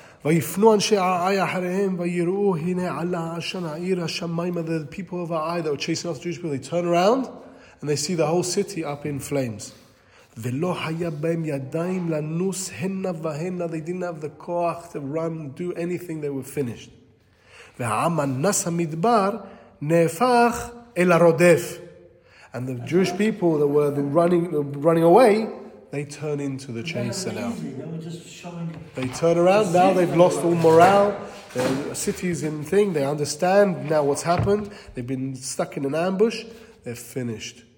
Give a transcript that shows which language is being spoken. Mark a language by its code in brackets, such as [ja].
[he] ויפנו אנשי העי אחריהם ויראו הנה עלה עשן העיר השמיים, [en] the people of העי that were chasing off the Jewish people, they turn around and they see the whole city up in flames. [he] ולא היה בהם ידיים לנוס הנה והנה, [en] they didn't have the כוח to run, do anything, they were finished. [he] והעם הנס המדבר נהפך אל הרודף. [en] And the Jewish people that were running away, they turn into the chaser now. They were just showing... They turn around, now they've lost all morale, the city's in thing, they understand now what's happened, they've been stuck in an ambush, they're finished.